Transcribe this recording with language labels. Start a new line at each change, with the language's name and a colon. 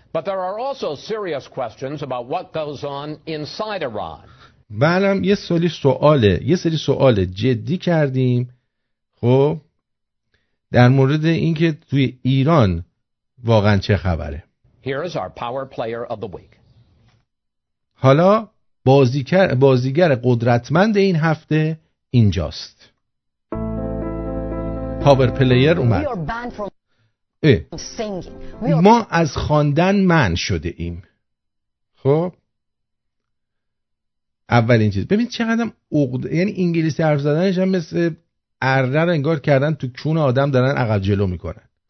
Persian: But there are also serious questions about what goes on inside Iran. بله، یه سری سوال جدی کردیم. خب در مورد اینکه توی ایران واقعا چه خبره.
English: Here is our power player of the week.
Persian: حالا بازیگر قدرتمند این هفته اینجاست. پاور پلیر اومد. ما از خواندن منع شده ایم. خب اولین چیز ببین چقدرم یعنی انگلیسی حرف زدنش هم مثل عرر انگار کردن تو کون آدم دارن عقب جلو میکنن.